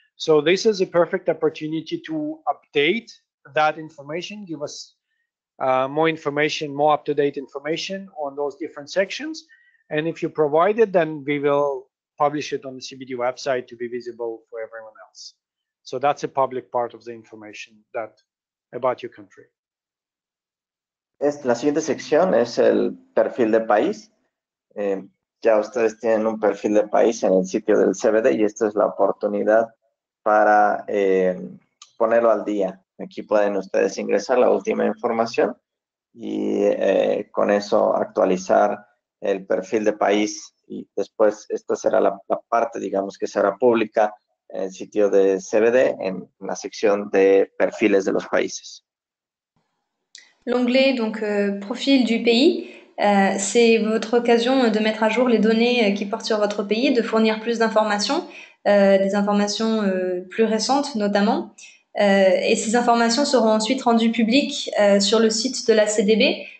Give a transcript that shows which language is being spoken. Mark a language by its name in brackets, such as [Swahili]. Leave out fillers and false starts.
[English] So this is a perfect opportunity to update that information, give us more information, more up-to-date information on those different sections. And if you provide it, then we will publish it on the CBD website to be visible for everyone else. So that's a public part of the information that about your country. [Spanish] La siguiente sección es el perfil de país. Ya ustedes tienen un perfil de país en el sitio del CBD y esta es la oportunidad para ponerlo al día. Aquí pueden ustedes ingresar la última información y con eso actualizar el perfil de país y después esta será la parte, digamos, que será pública en el sitio de CBD en la sección de perfiles de los países. [French] L'onglet donc profil du pays, c'est votre occasion de mettre à jour les données qui portent sur votre pays, de fournir plus d'informations, des informations plus récentes notamment. Et ces informations seront ensuite rendues publiques sur le site de la CDB.